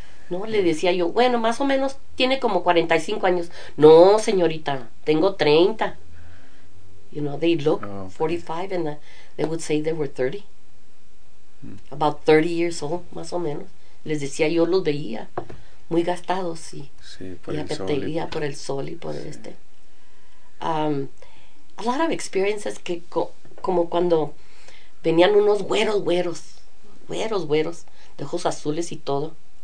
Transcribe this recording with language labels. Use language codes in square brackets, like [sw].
[es] No, le decía yo, bueno, más o menos tiene como 45 años. No, señorita, tengo 30. [en] You know, they look 45 and they would say they were 30. Hmm. About 30 years old, [es] más o menos. Les decía yo, los veía muy gastados por el sol y por [en] a lot of experiences [es] que como cuando venían unos güeros, de ojos azules y todo.